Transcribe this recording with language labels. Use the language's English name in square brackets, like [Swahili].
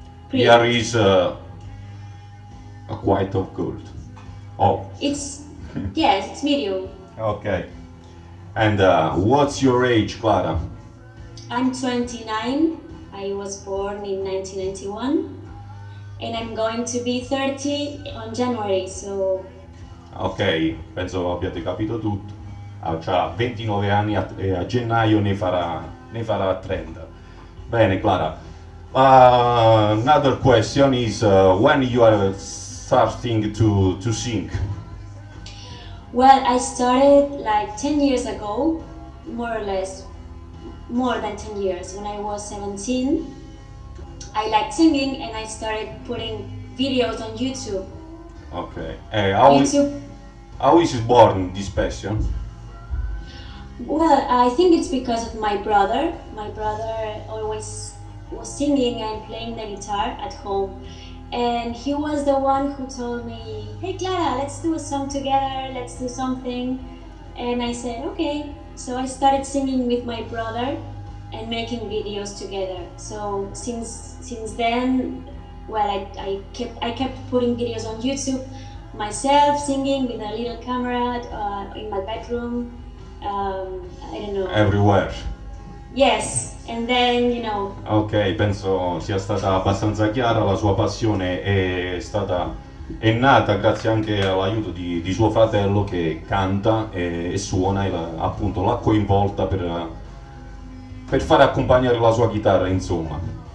[English] here is a quite of cold. Oh. It's yes, it's medium. Okay. And what's your age, Clara? I'm 29. I was born in 1991. And I'm going to be 30 on January, so... [Italian] Ok, penso abbiate capito tutto. Ha 29 anni e a gennaio ne farà 30. Bene, Clara. [English] Another question is, when you are starting to sing? Well, I started like 10 years ago, more or less, more than 10 years, when I was 17. I liked singing and I started putting videos on YouTube. Okay. Hey, how is it born, this passion? Well, I think it's because of my brother. My brother always was singing and playing the guitar at home. And he was the one who told me, hey Clara, let's do a song together, let's do something. And I said, okay. So I started singing with my brother and making videos together. So since then, well, I kept putting videos on YouTube, myself singing with a little camera in my bedroom, I don't know. Everywhere. Yes, and then, you know... [Italian] Ok, penso sia stata abbastanza chiara, la sua passione è nata grazie anche all'aiuto di suo fratello che canta e suona e appunto l'ha coinvolta per fare accompagnare la sua chitarra, insomma.